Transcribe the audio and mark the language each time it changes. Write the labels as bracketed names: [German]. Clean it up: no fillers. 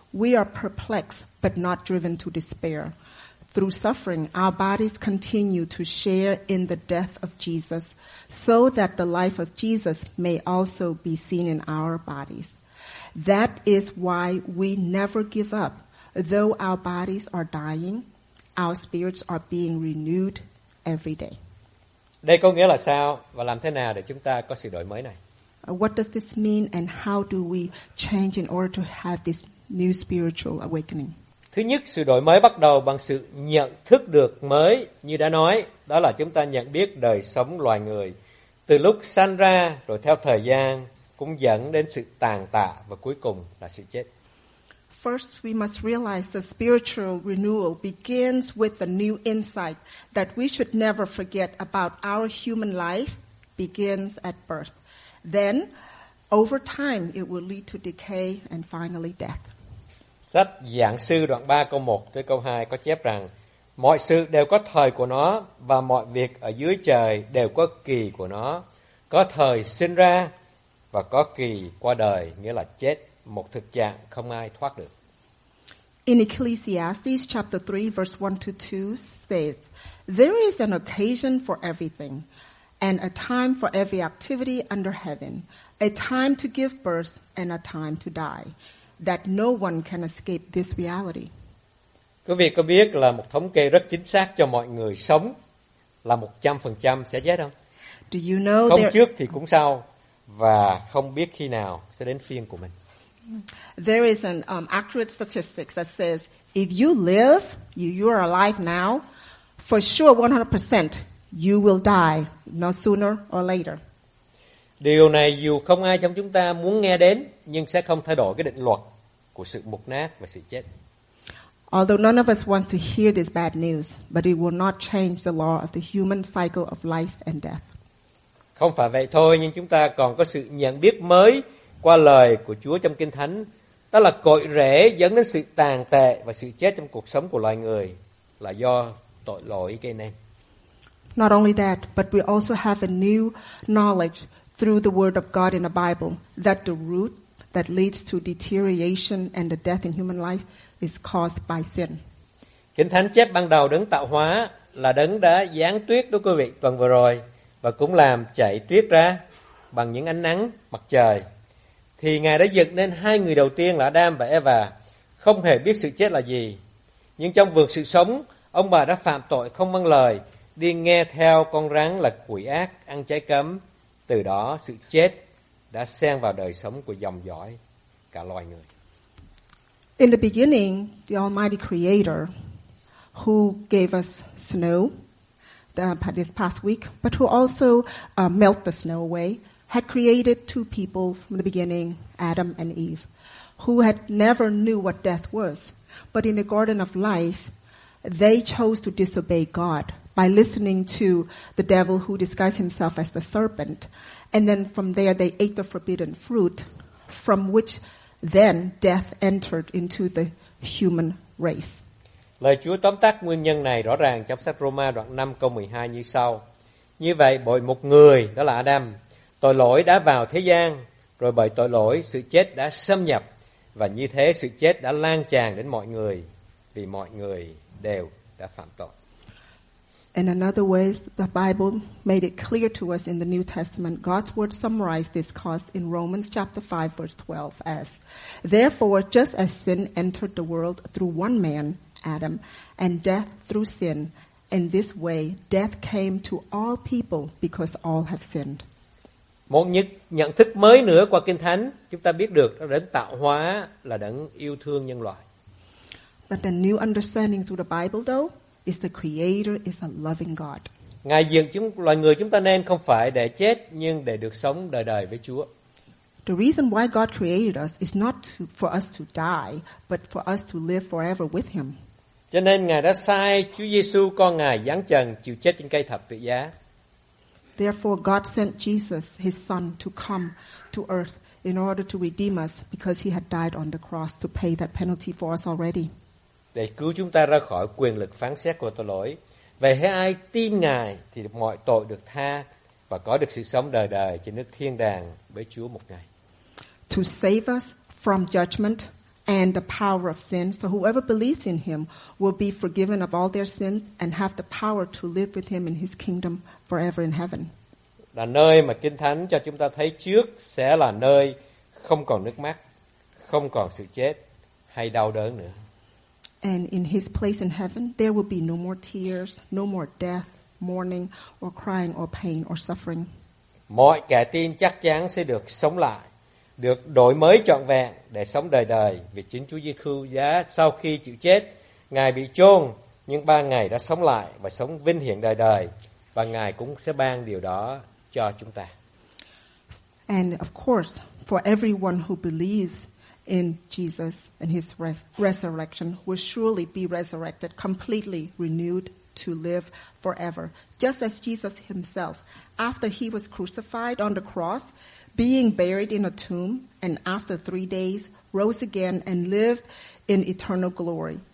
[English] We are perplexed, but not driven to despair. Through suffering, our bodies continue to share in the death of Jesus, so that the life of Jesus may also be seen in our bodies. That is why we never give up. Though our bodies are dying, our spirits are being renewed every day. [Vietnamese] Đây có nghĩa là sao và làm thế nào để chúng ta có sự đổi mới này? [English] What does this mean and how do we change in order to have this new spiritual awakening? [Vietnamese] Thứ nhất, sự đổi mới bắt đầu bằng sự nhận thức được mới, như đã nói, đó là chúng ta nhận biết đời sống loài người từ lúc sanh ra rồi theo thời gian cũng dẫn đến sự tàn tạ và cuối cùng là sự chết. [English] First, we must realize the spiritual renewal begins with the new insight that we should never forget about our human life begins at birth. Then, over time, it will lead to decay and finally death. [Vietnamese] Sách Giảng Sư đoạn 3 câu 1 tới câu 2 có chép rằng mọi sự đều có thời của nó và mọi việc ở dưới trời đều có kỳ của nó. Có thời sinh ra và có kỳ qua đời, nghĩa là chết. Một thực trạng không ai thoát được. [English] In Ecclesiastes chapter 3 verse 1 to 2 states, there is an occasion for everything and a time for every activity under heaven, a time to give birth and a time to die, that no one can escape this reality. [Vietnamese] Quý vị có biết là một thống kê rất chính xác cho mọi người sống là 100% sẽ chết không? [English] Do you know không there... [Vietnamese] trước thì cũng sau và không biết khi nào sẽ đến phiên của mình. [English] There is an accurate statistic that says if you live, you are alive now, for sure 100% you will die no sooner or later. [Vietnamese] Điều này dù không ai trong chúng ta muốn nghe đến nhưng sẽ không thay đổi cái định luật của sự mục nát và sự chết. [English] Although none of us wants to hear this bad news, but it will not change the law of the human cycle of life and death. [Vietnamese] Không phải vậy thôi, nhưng chúng ta còn có sự nhận biết mới qua lời của Chúa trong Kinh Thánh, đó là cội rễ dẫn đến sự tàn tệ và sự chết trong cuộc sống của loài người là do tội lỗi gây nên. [English] Not only that, but we also have a new knowledge through the word of God in the Bible that the root that leads to deterioration and the death in human life is caused by sin. [Vietnamese] Kinh Thánh chép ban đầu đấng tạo hóa là đấng đã giáng tuyết, đó quý vị, tuần vừa rồi, và cũng làm chảy tuyết ra bằng những ánh nắng mặt trời. Thì Ngài đã dựng nên hai người đầu tiên là Adam và Eva, không hề biết sự chết là gì. Nhưng trong vườn sự sống, ông bà đã phạm tội không vâng lời, đi nghe theo con rắn là quỷ ác, ăn trái cấm. Từ đó, sự chết đã xen vào đời sống của dòng dõi cả loài người. [English] In the beginning, the Almighty Creator, who gave us snow this past week, but who also melted the snow away, had created two people from the beginning, Adam and Eve, who had never knew what death was. But in the garden of life, they chose to disobey God by listening to the devil who disguised himself as the serpent. And then from there, they ate the forbidden fruit, from which then death entered into the human race. [Vietnamese] Lời Chúa tóm tắt nguyên nhân này rõ ràng trong sách Roma đoạn 5 câu 12 như sau. Như vậy, bởi một người, đó là Adam, tội lỗi đã vào thế gian, rồi bởi tội lỗi sự chết đã xâm nhập, và như thế sự chết đã lan tràn đến mọi người, vì mọi người đều đã phạm tội. [English] In another ways, the Bible made it clear to us in the New Testament, God's word summarized this cause in Romans chapter 5 verse 12 as, therefore, just as sin entered the world through one man, Adam, and death through sin, in this way death came to all people because all have sinned. [Vietnamese] Một nhận thức mới nữa qua Kinh Thánh, chúng ta biết được đấng tạo hóa là đấng yêu thương nhân loại. [English] But the new understanding through the Bible though is the creator, is a loving God. [Vietnamese] Ngài dựng chúng loài người chúng ta nên không phải để chết nhưng để được sống đời đời với Chúa. [English] The reason why God created us is not to, for us to die, but for us to live forever with him. [Vietnamese] Cho nên Ngài đã sai Chúa Giêsu con Ngài giáng trần chịu chết trên cây thập tự giá. [English] Therefore God sent Jesus his son to come to earth in order to redeem us because he had died on the cross to pay that penalty for us already. [Vietnamese] Để cứu chúng ta ra khỏi quyền lực phán xét của tội lỗi. Vậy hãy ai tin Ngài thì mọi tội được tha và có được sự sống đời đời trên nước thiên đàng với Chúa một ngày. [English] To save us from judgment and the power of sin, so whoever believes in him will be forgiven of all their sins and have the power to live with him in his kingdom forever in heaven. [Vietnamese] Là nơi mà Kinh Thánh cho chúng ta thấy trước sẽ là nơi không còn nước mắt, không còn sự chết hay đau đớn nữa. [English] And in his place in heaven, there will be no more tears, no more death, mourning, or crying, or pain, or suffering. [Vietnamese] Mọi kẻ tin chắc chắn sẽ được sống lại, được đổi mới trọn vẹn để sống đời đời vì chính Chúa Giêsu giá sau khi chịu chết, Ngài bị chôn nhưng ba ngày đã sống lại và sống vinh hiển đời đời và Ngài cũng sẽ ban điều đó cho chúng ta. [English] And of course, for everyone who believes in Jesus and his resurrection will surely be resurrected completely renewed to live forever, just as Jesus himself after he was crucified on the cross, being buried in a tomb, and after 3 days rose again and lived in eternal glory.